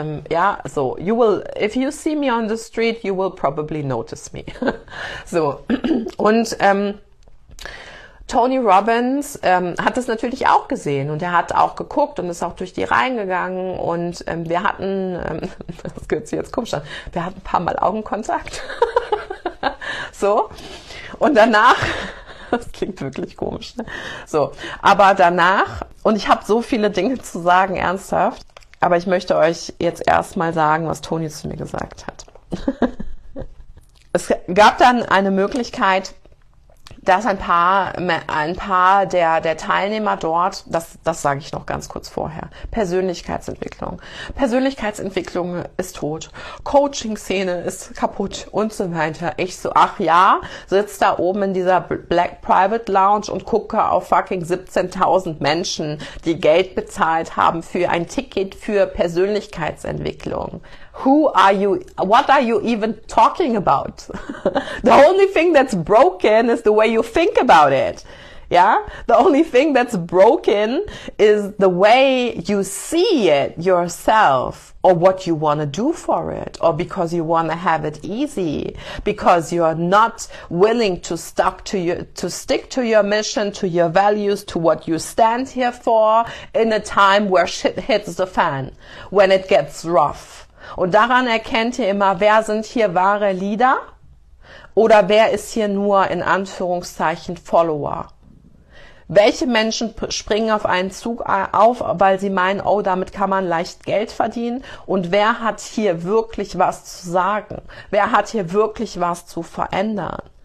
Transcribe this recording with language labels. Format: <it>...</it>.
<en>Ja, so, if you see me on the street, you will probably notice me.</en> <de>So, und Tony Robbins hat das natürlich auch gesehen und er hat auch geguckt und ist auch durch die Reihen gegangen und wir hatten, das gehört sich jetzt komisch an, wir hatten ein paar Mal Augenkontakt. So, und danach, das klingt wirklich komisch, ne? So, aber danach, und ich habe so viele Dinge zu sagen, ernsthaft, aber ich möchte euch jetzt erstmal sagen, was Tony zu mir gesagt hat. Es gab dann eine Möglichkeit, dass ein paar der Teilnehmer dort, das sage ich noch ganz kurz vorher, Persönlichkeitsentwicklung. Persönlichkeitsentwicklung ist tot. Coaching-Szene ist kaputt und so weiter. Ich so, ach ja, sitze da oben in dieser Black Private Lounge und gucke auf fucking 17.000 Menschen, die Geld bezahlt haben für ein Ticket für Persönlichkeitsentwicklung.</de> <en>Who are you? What are you even talking about? The only thing that's broken is the way you think about it. Yeah? The only thing that's broken is the way you see it yourself, or what you want to do for it, or because you want to have it easy, because you're not willing to stick to your mission, to your values, to what you stand here for in a time where shit hits the fan, when it gets rough.</en> <de>Und daran erkennt ihr immer, wer sind hier wahre Leader oder wer ist hier nur in Anführungszeichen Follower. Welche Menschen springen auf einen Zug auf, weil sie meinen, oh, damit kann man leicht Geld verdienen? Und wer hat hier wirklich was zu sagen? Wer hat hier wirklich was zu verändern?</de>